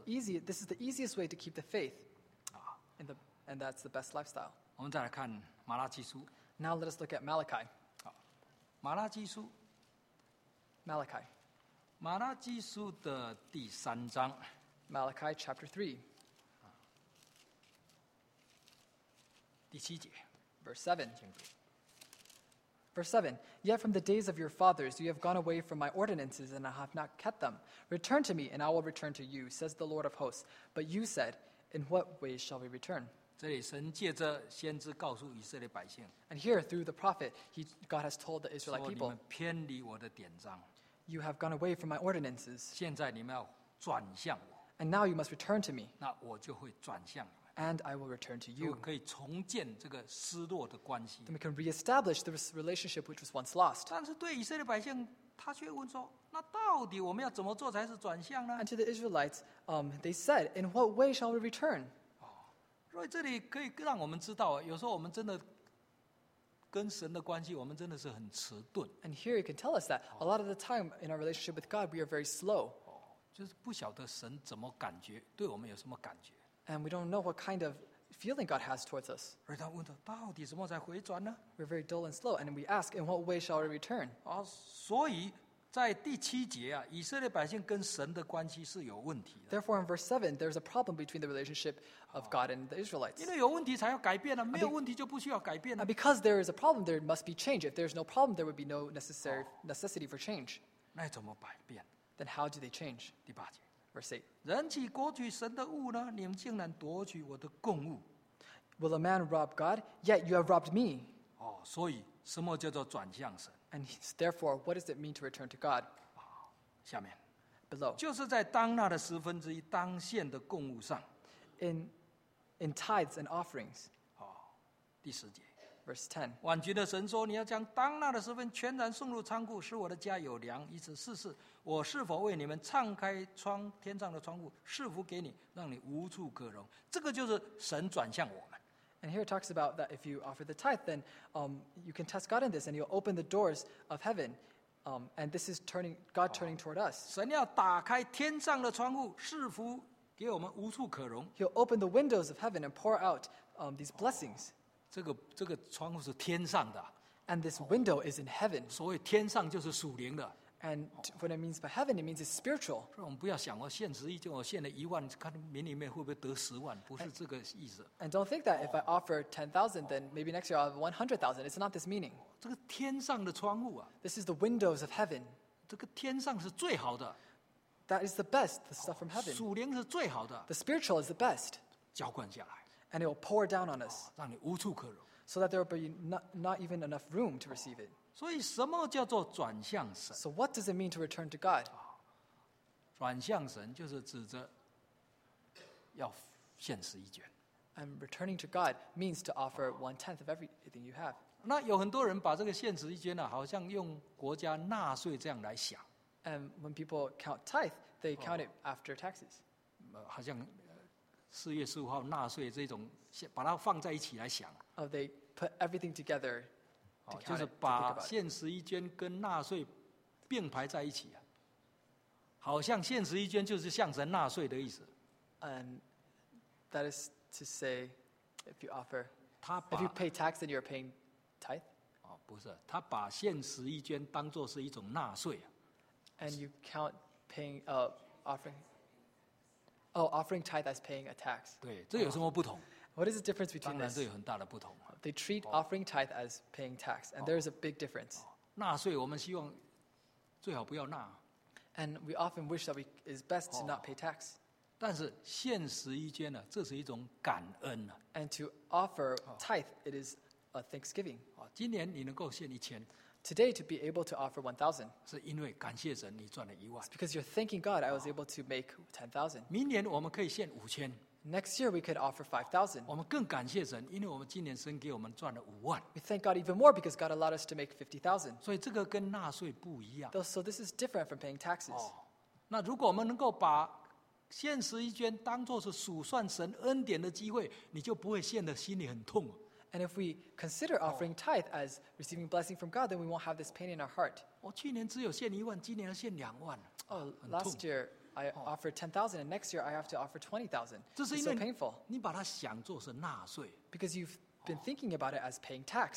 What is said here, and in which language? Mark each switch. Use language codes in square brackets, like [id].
[en] This is the easiest way to keep the faith, and that's the best lifestyle. [zh] 我们再来看马拉基书。 [en] Now let us look at Malachi. [zh] 马拉基书。 [en] Malachi. [zh] 马拉基书的第三章。 [en] Malachi chapter 3. [zh] 第七节。 [en] Verse 7. Verse 7, Yet from the days of your fathers you have gone away from my ordinances, and I have not kept them. Return to me, and I will return to you, says the Lord of hosts. But you said, In what way shall we return? [zh] 这里神借着先知告诉以色列百姓。 [en] And here, through the prophet, God has told the Israelite people, [zh] 说你们偏离我的典章。 [en] You have gone away from my ordinances. [zh] 现在你们要转向我。 [en] And now you must return to me. [zh] 那我就会转向你。 [en] And I will return to you. [zh] 可以重建这个失落的关系。 [en] Then we can reestablish the relationship which was once lost. [zh] 但是对以色列百姓，他却问说：“那到底我们要怎么做才是转向呢？” [en] And to the Israelites, they said, "In what way shall we return?" [zh] 所以这里可以让我们知道，有时候我们真的跟神的关系，我们真的是很迟钝。 [en] And here you can tell us that a lot of the time in our relationship with God, we are very slow. [zh] 就是不晓得神怎么感觉，对我们有什么感觉。 [en] And we don't know what kind of feeling God has towards us. [zh] 而他问他到底怎么才回转呢？ [en] We're very dull and slow, and we ask, in what way shall we return? [zh] 所以在第七节啊，以色列百姓跟神的关系是有问题的。 [en] Therefore, in verse 7, there's a problem between the relationship of God and the Israelites. [zh] 因为有问题才要改变啊，没有问题就不需要改变啊。 [en] And because there is a problem, there must be change. If there's no problem, there would be no necessity for change. [zh] 那怎么改变？ [en] Then how do they change? [zh] 第八节。 [en] Verse 8. [zh] 人岂夺取神的物呢？你们竟然夺取我的供物。 [en] Will a man rob God? Yet you have robbed me. [zh] 所以什么叫做转向神？ [en] And therefore, what does it mean to return to God? [zh] 下面。 [en] Below. [zh] 就是在当纳的十分之一当献的供物上。 [en] In tithes and offerings. [zh] 第十节。 [en] Verse 10. [zh] 万军的神说，你要将当纳的十分全然送入仓库，使我的家有粮，以此试试我是否为你们敞开窗天上的窗户，赐福给你，让你无处可容。这个就是神转向我们。 [en] And here it talks about that if you offer the tithe, then you can test God in this, and you'll open the doors of heaven. And this is God turning toward us. [zh] 神要打开天上的窗户，赐福给我们无处可容。 [en] He'll open the windows of heaven and pour out these blessings. [zh] 这个窗户是天上的。 [en] And this window is in heaven. [zh] 所谓天上就是属灵的。 [en] And what it means by heaven, it means it's spiritual. [zh] 我们不要想我献十亿，就我献了一万，看明年会不会得十万，不是这个意思。 [en] And don't think that if I offer 10,000, then maybe next year I'll have 100,000. It's not this meaning. [zh] 这个天上的窗户啊。 [en] This is the windows of heaven. [zh] 这个天上是最好的。 [en] That is the best, the stuff from heaven. [zh] 属灵是最好的。 [en] The spiritual is the best. [zh] 浇灌下来。 [en] And it will pour down on us. [zh] 让你无处可容。 [en] So that there will be not even enough room to receive it. [zh] 所以什么叫做转向神？ [en] So what does it mean to return to God? [zh] 转向神就是指着要献十一卷。 [en] And returning to God means to offer one tenth of everything you have. [zh] 那有很多人把这个献十一卷呢，好像用国家纳税这样来想。 [en] And when people count tithe, they count it after taxes. [zh] 好像四月十五号纳税这种，把它放在一起来想。 [en] Oh, they put everything together to count it, [zh] 就是把献十一捐跟纳税并排在一起、啊、好像献十一捐就是向神纳税的意思。 [en] And that is to say, if you offer, [zh] 他把 [en] if you pay tax, then you're paying tithe. [zh] 不是，他把献十一捐当作是一种纳税、啊。 [en] And you count paying offering. Oh, offering tithe as paying a tax. [zh] 对，这有什么不同？ [en] What is the difference between this? [zh] 当然这有很大的不同。 [en] They treat offering tithe as paying tax, and there is a big difference. [zh] 纳税我们希望最好不要纳。 [en] And we often wish that it is best to not pay tax. [zh] 但是现实一间呢，这是一种感恩呢。 [en] And to offer tithe, it is a thanksgiving. [zh] 今年你能够献一千。 [en] Today to be able to offer 1,000. [zh] 是因为感谢神，你赚了一万。 [en] It's because you're thanking God, I was able to make 10,000. [zh] 明年我们可以献五千。 [en] Next year we could offer 5,000. [zh] 我们更感谢神，因为我们今年神给我们赚了五万。 [en] We thank God even more because God allowed us to make 50,000. [zh] 所以这个跟纳税不一样。 [en] So this is different from paying taxes. [zh] 那如果我们能够把现实一捐当作是数算神恩典的机会，你就不会陷得心里很痛。 [en] And if we consider offering tithe as receiving blessing from God, then we won't have this pain in our heart. [zh] 我去年只有献一万，今年要献两万。 [en] Last year I offered 10,000, and next year I have to offer 20,000. It's so painful. [zh] 你把它想作是纳税。 Because you've been thinking about it as paying tax.